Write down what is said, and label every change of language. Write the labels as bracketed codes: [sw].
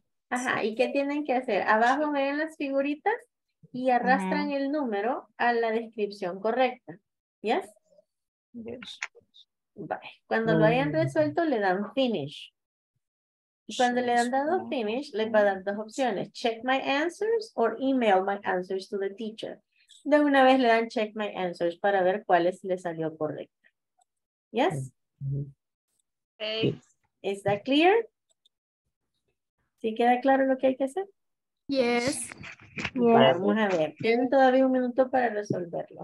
[es] Ajá, ¿y qué tienen que hacer? Abajo ven las figuritas y arrastran el número a la descripción correcta. [en] ¿Yes? Yes. [es] Bye. Cuando lo hayan resuelto, le dan finish. Y cuando le han dado finish, le va a dar dos opciones. [en] Check my answers or email my answers to the teacher. [es] De una vez le dan [en] check my answers [es] para ver cuáles le salió correcta. [en] ¿Yes? Okay. Is that clear? [es] ¿Sí queda claro lo que hay que hacer? Yes. Vamos a ver. Tienen todavía un minuto para resolverlo.